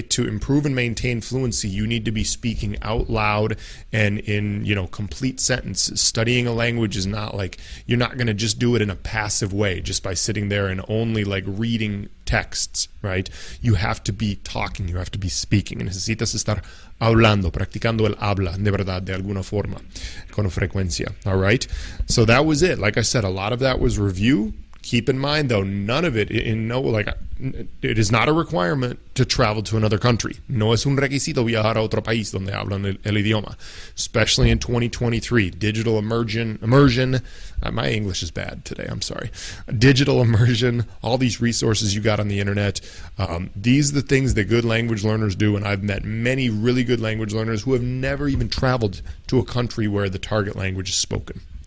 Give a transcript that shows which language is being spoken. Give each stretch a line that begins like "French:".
English: To improve and maintain fluency, you need to be speaking out loud and in, you know, complete sentences. Studying a language is not like, you're not going to just do it in a passive way just by sitting there and only like reading texts, right? You have to be talking, you have to be speaking.
Spanish: Necesitas estar hablando, practicando el habla, de verdad, de alguna forma, con frecuencia,
English: all right? So that was it. Like I said, a lot of that was review. Keep in mind, though, none of it, it is not a requirement to travel to another country.
Spanish: No es un requisito viajar a otro país donde hablan el idioma,
English: especially in 2023. Digital immersion, my English is bad today, I'm sorry. Digital immersion, all these resources you got on the internet, these are the things that good language learners do, and I've met many really good language learners who have never even traveled to a country where the target language is spoken.